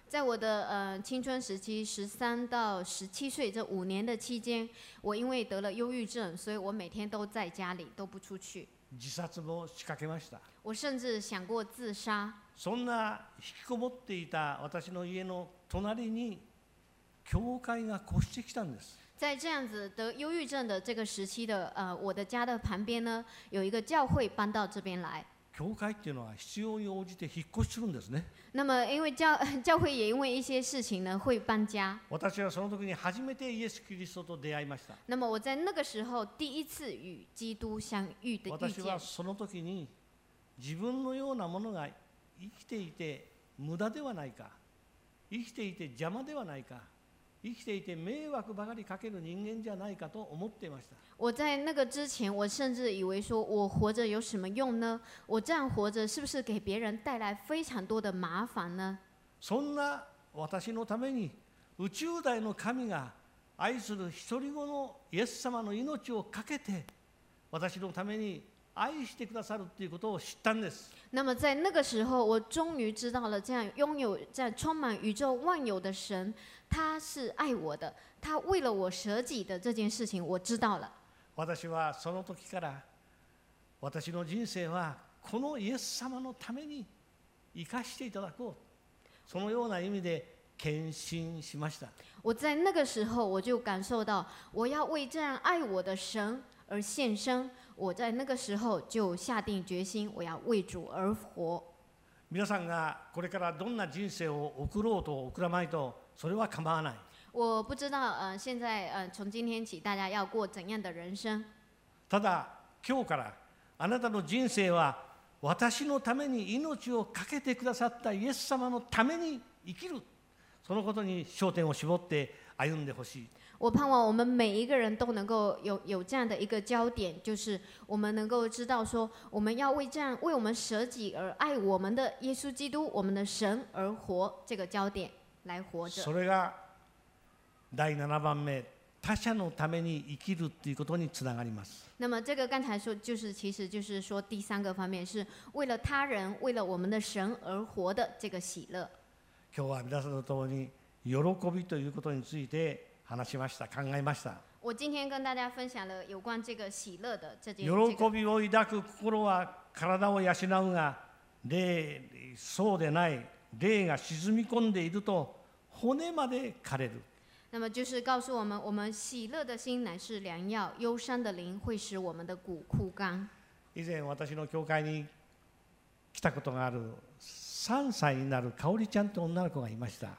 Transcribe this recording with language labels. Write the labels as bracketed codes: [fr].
[zh] 在我的青春时期，十三到十七岁这五年的期间，我因为得了忧郁症，所以我每天都在家里，都不出去。 [ja] 自殺も仕掛けました。 [zh] 我甚至想过自杀。 [ja] そんな引きこもっていた私の家の隣に教会が越してきたんです。 [zh] 在这样子得忧郁症的这个时期的我的家的旁边呢，有一个教会搬到这边来。 [ja] 教会っていうのは必要に応じて引っ越しするんですね。 [zh] 那么因为 教会也因为一些事情呢会搬家。 [ja] 私はその時に初めてイエス・キリストと出会いました。 [zh] 那么我在那个时候第一次与基督相遇的遇见。 [ja] 私はその時に自分のようなものが生きていて無駄ではないか、生きていて邪魔ではないか、生きていて迷惑ばかりかける人間じゃないかと思っていました。 [zh] 我在那个之前，我甚至以为说我活着有什么用呢？我这样活着是不是给别人带来非常多的麻烦呢？ [ja] そんな私のために宇宙大の神が愛する一人子のイエス様の命をかけて私のために愛してくださるということを知ったんです。 [zh] 那么在那个时候，我终于知道了这样拥有在充满宇宙万有的神。他是爱我的，他为了我舍己的这件事情，我知道了。 [ja] 私はその時から、私の人生はこのイエス様のために生かしていただこう。そのような意味で献身しました。 [zh] 我在那个时候我就感受到，我要为这样爱我的神而献身。我在那个时候就下定决心，我要为主而活。 [ja] 皆さんがこれからどんな人生を送ろうと送らないと。それは構わない。 [zh] 我不知道，现在，从今天起，大家要过怎样的人生？ [ja] ただ今日からあなたの人生は私のために命をかけてくださったイエス様のために生きる、そのことに焦点を絞って歩んでほしい。 [zh] 我盼望我们每一个人都能够 有这样的一个焦点，就是我们能够知道说，我们要为这样为我们舍己而爱我们的耶稣基督，我们的神而活，这个焦点来活着。 [ja] それが第七番目、他者のために生きるということにつながります。 [zh] 那么这个刚才说就是其实就是说第三个方面是为了他人为了我们的神而活的这个喜乐。 [ja] 今日は皆さんと共に喜びということについて話しました、考えました。 [zh] 我今天跟大家分享了有关这个喜乐的这件事。 [ja] 喜びを抱く心は体を養うが、霊そうでない、霊が沈み込んでいると骨まで枯れる。 [zh] 那么就是告诉我们，我们喜乐的心乃是良药，忧伤的灵会使我们的骨枯干。 [ja] 以前私の教会に来たことがある3歳になる香里ちゃんという女の子がいました。